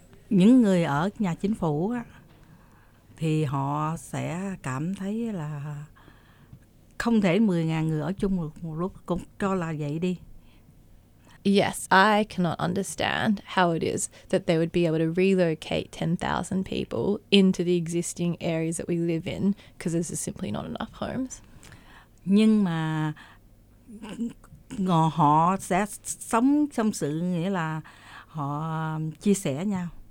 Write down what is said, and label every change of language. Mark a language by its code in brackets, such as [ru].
[vi] Những người ở nhà chính phủ thì họ sẽ cảm thấy là không thể 10,000 người ở chung một lúc, cũng cho là vậy đi. [en] Yes, I cannot understand how it is that they would be able to relocate 10,000 people into the existing areas that we live in because there's just simply not enough homes. [vi] Nhưng mà họ sẽ sống trong sự nghĩa là họ chia sẻ nhau.